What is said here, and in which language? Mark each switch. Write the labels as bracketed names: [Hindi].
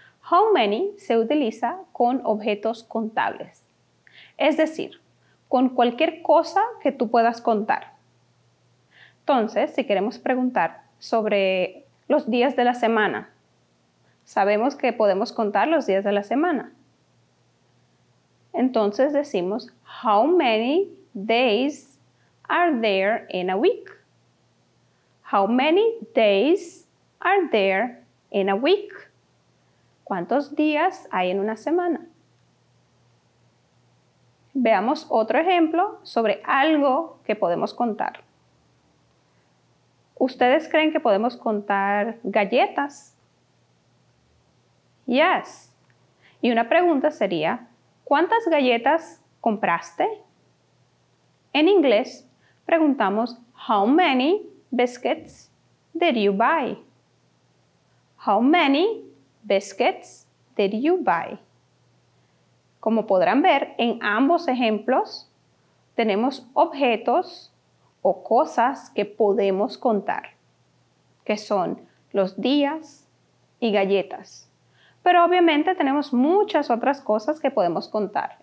[Spanish] How many se utiliza con objetos contables, es decir, con cualquier cosa que tú puedas contar. Entonces, si queremos preguntar sobre los días de la semana, sabemos que podemos contar los días de la semana. Entonces decimos, [English] how many days are there in a week? How many days are there in a week? [Spanish] ¿Cuántos días hay en una semana? Veamos otro ejemplo sobre algo que podemos contar. ¿Ustedes creen que podemos contar galletas? Yes. Y una pregunta sería, ¿cuántas galletas compraste? En inglés, preguntamos, [English] how many biscuits did you buy? How many biscuits did you buy? [Spanish] Como podrán ver, en ambos ejemplos, tenemos objetos o cosas que podemos contar, que son los días y galletas. Pero obviamente tenemos muchas otras cosas que podemos contar.